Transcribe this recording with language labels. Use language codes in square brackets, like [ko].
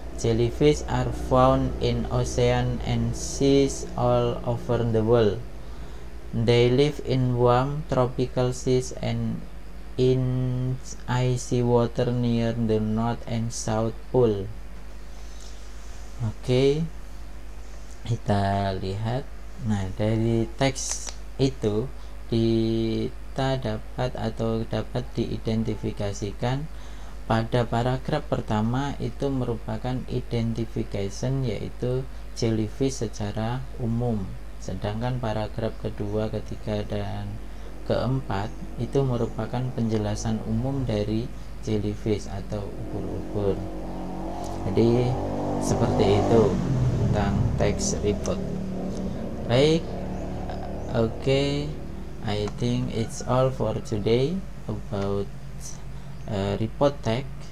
[en] Jellyfish are found in oceans and seas all over the world. They live in warm tropical seas and in icy water near the North and South Pole. Okay, [id] kita lihat. Nah, dari teks itu kita dapat atau dapat diidentifikasikan pada paragraf pertama itu merupakan identification, yaitu jellyfish secara umum. Sedangkan paragraf kedua, ketiga, dan keempat itu merupakan penjelasan umum dari jellyfish atau ubur-ubur. Jadi seperti itu tentang teks report. Baik, okay. [en] I think it's all for today about report tag.